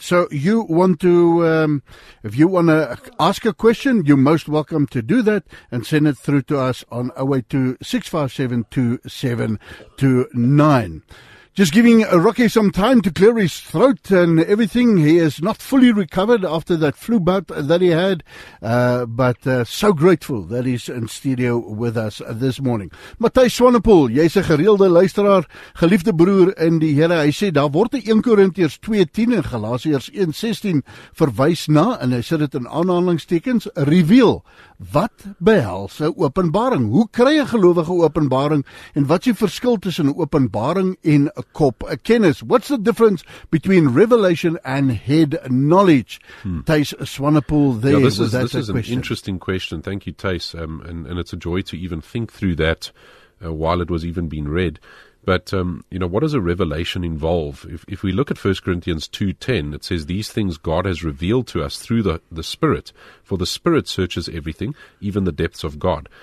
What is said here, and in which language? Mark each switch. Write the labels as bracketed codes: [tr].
[en] So you want to, if you want to ask a question, you're most welcome to do that and send it through to us on 082-657-2729. Just giving Rocky some time to clear his throat and everything. He is not fully recovered after that flu bout that he had, but so grateful that he's in studio with us this morning. [af] Matthys Swanepoel, jy's 'n gereelde luisteraar, geliefde broer in die Here. Hy sê daar word 1 Korintiërs 2:10 en Galasiërs 1:16 verwys na, en hy sê dit in aanhalingstekens, reveal. Wat behels 'n openbaring? Hoe kry 'n gelowige openbaring? En wat is die verskil tussen 'n openbaring en 'n kop kennis? [en] What's the difference between revelation and head knowledge? Thys Swanepoel, there. Yeah, this is an interesting question. Thank you, Thys. And it's a joy to even think through that while it was even being read. But, you know, what does a revelation involve? If we look at 1 Corinthians 2:10, it says, these things God has revealed to us through the Spirit, for the Spirit searches everything, even the depths of God.